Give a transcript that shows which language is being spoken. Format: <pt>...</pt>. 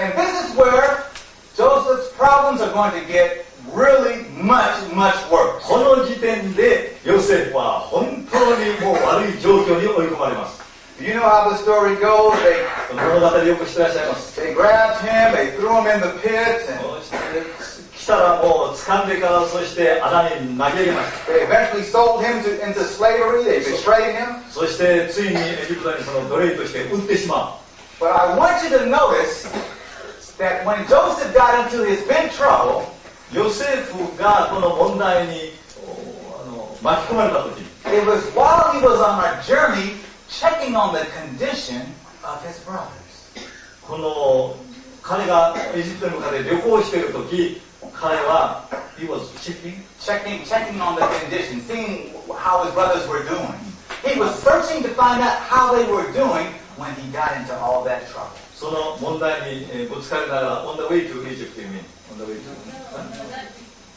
<en>And this is where Joseph's problems are going to get really much, much worse.</en> <ja>この時点でヨセフは本当にもう悪い状況に追い込まれます。</ja> <en>You know how the story goes. They,</en> <ja>物語よく知ってらっしゃいます。</ja> <en>They grabbed him, they threw him in the pit. And...</en> <ja>来たらもう掴んでからそして穴に投げます。</ja> <en>They eventually sold him into slavery. They betrayed him.</en> <ja>そしてついにエジプトにその奴隷として売ってしまう。</ja> <en>But I want you to notice that when Joseph got into his big trouble,</en> <ja>ヨセフがこの問題に巻き込まれた時、</ja> <en>it was while he was on a journey. Checking on the condition of his brothers.</en> <ja>この彼がエジプトに向かって旅行しているとき、彼は</ja> <en>he was checking on the condition, seeing how his brothers were doing. He was searching to find out how they were doing when he got into all that trouble.</en> <ja>その問題にぶつかりながら</ja> <en>on the way to Egypt, you mean? On the way to.</en>